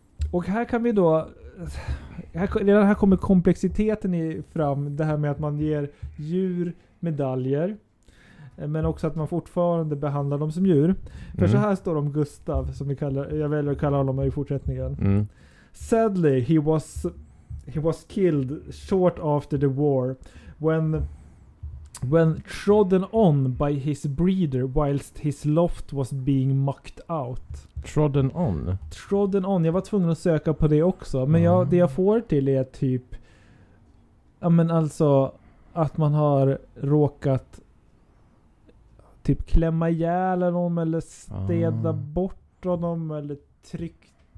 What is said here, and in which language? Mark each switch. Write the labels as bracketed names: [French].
[Swedish] Och här kan vi då, redan här kommer komplexiteten fram, det här med att man ger djur medaljer. men också att man fortfarande behandlar dem som djur. För så här står det om Gustav, som vi kallar, jag väljer att kalla honom i fortsättningen. [English] Sadly, he was killed short after the war when trodden on by his breeder whilst his loft was being mucked out. Trodden on. [Swedish] Jag var tvungen att söka på det också. Men det jag får till är typ, ja men alltså, att man har råkat typ klämma ihjäl honom eller städa bort honom eller tryckt.